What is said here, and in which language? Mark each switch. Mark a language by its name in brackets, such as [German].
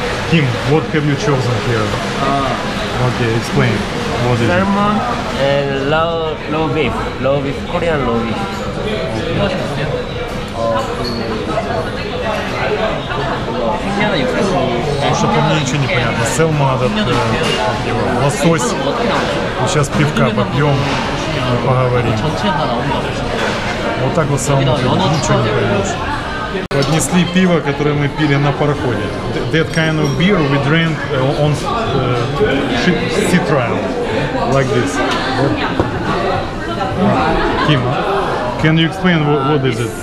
[English] Ким, what have you chosen here? Okay, explain. What is salmon and low beef. Low beef, Korean low beef. [Russian] Потому что по мне ничего не понятно. Селма, лосось. И сейчас пивка попьем и поговорим. Вот так вот Селма, ничего не понятно. Поднесли пиво, которое мы пили на пароходе. [English] That kind of beer we drank on ship sea trial. Like this. [Russian] Кима. [English] Can you explain what is it?